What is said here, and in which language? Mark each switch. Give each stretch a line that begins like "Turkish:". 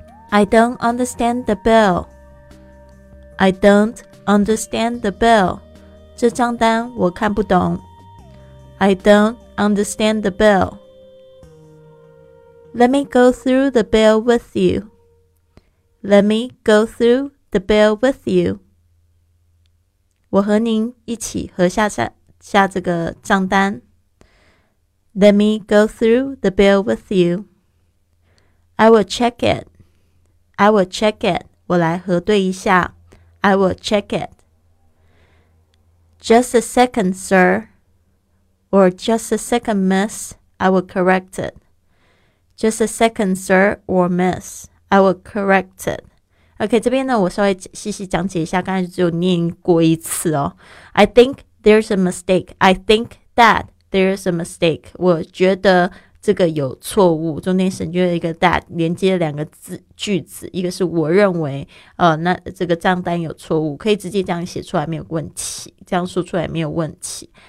English: I don't understand the bill. I don't understand the bill.
Chinese: 这账单我看不懂。
English: I don't understand the bill. Let me go through the bill with you. Let me go through the bill with you.
Chinese: 我和您一起核下账下这个账单。
English: Let me go through the bill with you. I will check it. I will check it.
Chinese: 我来核对一下。
English: I will check it. Just a second, sir. Or just a second, miss. I will correct it. Just a second, sir. Or miss. I will correct it.
Chinese: OK， 这边呢我稍微细细讲解一下，刚才只有念过一次哦。
English: I think there's a mistake. I think that there's a mistake.
Chinese: 我觉得这个有错误，中间省略了一个 that， 连接了两个字句子，一个是我认为那这个账单有错误，可以直接这样写出来没有问题，这样说出来没有问题。